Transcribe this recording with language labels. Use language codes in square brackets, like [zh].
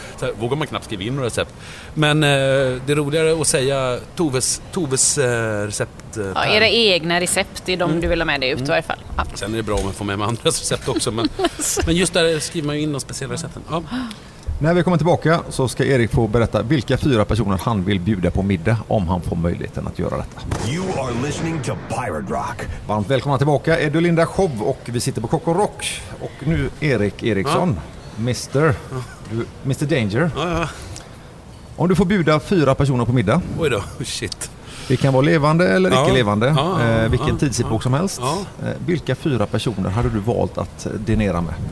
[sv] Så vågar man knappt skriva in några recept. Men det är roligare att säga Toves recept. Ja, era egna recept är de du vill ha med dig ut i varje fall. Ja. Sen är det bra om man får med andras recept också. Men, men just där skriver man ju in de speciella recepten. Ja. När vi kommer tillbaka så ska Erik få berätta vilka 4 personer han vill bjuda på middag om han får möjligheten att göra detta. [en] You are listening to Pirate Rock. [sv] Varmt välkomna tillbaka. Är du Linda Schov och vi sitter på Coco Rock. Och nu Erik Eriksson. Ja. [en] Mr. Danger. [sv] Ja. Om du får bjuda 4 personer på middag. Oj då, shit. Vi kan vara levande eller icke levande. Vilken tidsepok som helst. Vilka 4 personer hade du valt att dinera med?